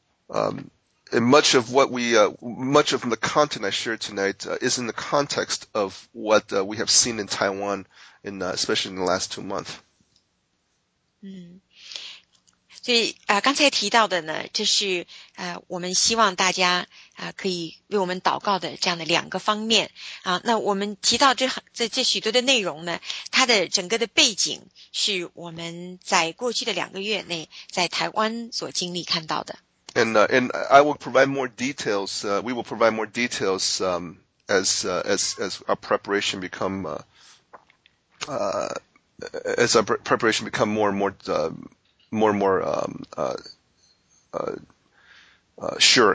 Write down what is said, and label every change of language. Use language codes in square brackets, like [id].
[en] And much of what much of the content I share tonight is in the context of what we have seen in Taiwan, especially in the last 2 months. [zh] 所以刚才提到的呢，这是我们希望大家可以为我们祷告的这样的两个方面啊。那我们提到这许多的内容呢，它的整个的背景是我们在过去的两个月内在台湾所经历看到的。 [en] And I will provide more details. We will provide more details as our preparation become as our preparation become more and more sure.